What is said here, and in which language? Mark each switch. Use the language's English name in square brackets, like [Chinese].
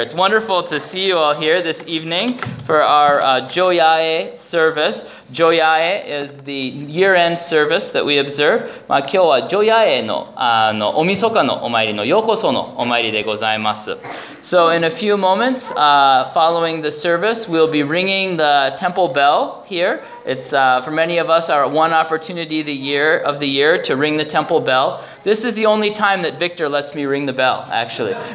[English] It's wonderful to see you all here this evening for our Joyae service. Joyae is the year-end service that we observe. [Japanese] まあ今日はJoyaeのおみそかのお参りのようこそのお参りでございます。 [English] So in a few moments, following the service, we'll be ringing the temple bell here. It's for many of us our one opportunity of the year to ring the temple bell. This is the only time that Victor lets me ring the bell, actually.